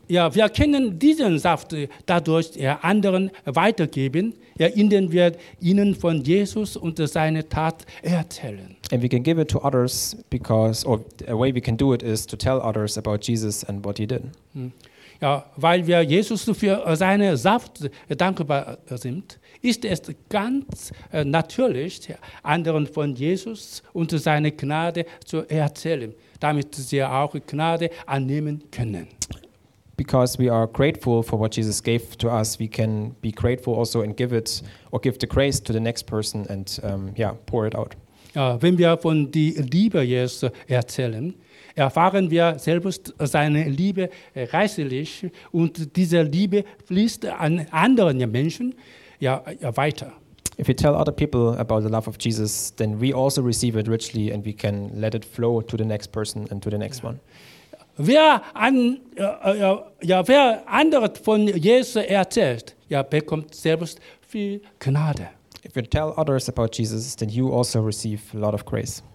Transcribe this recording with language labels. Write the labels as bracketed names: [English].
[German] Ja, wir können diesen Saft dadurch anderen weitergeben, indem wir ihnen von Jesus und seine Tat erzählen. [English] And we can give it to others because, or a way we can do it is to tell others about Jesus and what he did. [German] Ja, weil wir Jesus für seine Saft dankbar sind, ist es ganz natürlich, anderen von Jesus und seine Gnade zu erzählen, damit sie auch Gnade annehmen können. [English] Because we are grateful for what Jesus gave to us, we can be grateful also and give it or give the grace to the next person and pour it out. [German] Ja, wenn wir von der Liebe Jesu erzählen, erfahren wir selbst seine Liebe reichlich und diese Liebe fließt an anderen Menschen weiter. [English] If we tell other people about the love of Jesus, then we also receive it richly and we can let it flow to the next person and to the next one. [German] Wer andere von Jesus erzählt, bekommt selbst viel Gnade. [English] If you tell others about Jesus, then you also receive a lot of grace.